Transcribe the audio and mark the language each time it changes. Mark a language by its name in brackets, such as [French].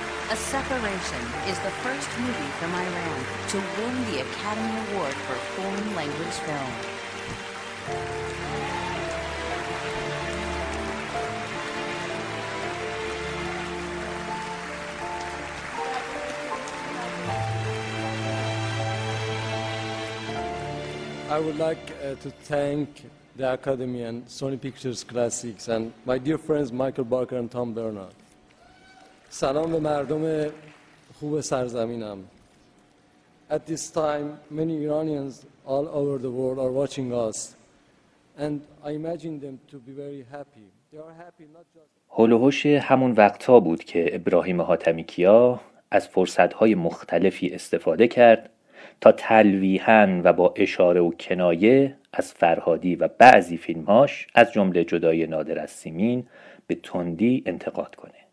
[English] A Separation is the first movie from Iran to win the Academy Award for Foreign Language Film. I would like to thank the Academy and Sony Pictures Classics and my dear friends Michael Barker and Tom Bernard. [Persian] سلام به مردم خوب سرزمینم. [English] At this time, many Iranians all over the world are watching us, and I imagine them to be very happy. They are happy not just. [Persian] هلوهوش همون وقت‌ها بود که ابراهیم حاتمی کیا از فرصت‌های مختلفی استفاده کرد تا تلویحاً و با اشاره و کنایه از فرهادی و بعضی فیلم‌هاش از جمله جدای نادر از سیمین به تندی انتقاد کنه.